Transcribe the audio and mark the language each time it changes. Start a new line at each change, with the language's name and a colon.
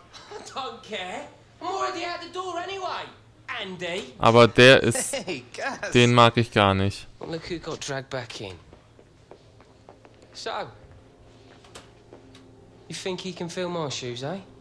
English: I don't care. I'm already out the door anyway. Andy.
German: Aber der ist, hey, den mag ich gar nicht.
English: Look who got dragged back in. So, you think he can fill my shoes, eh?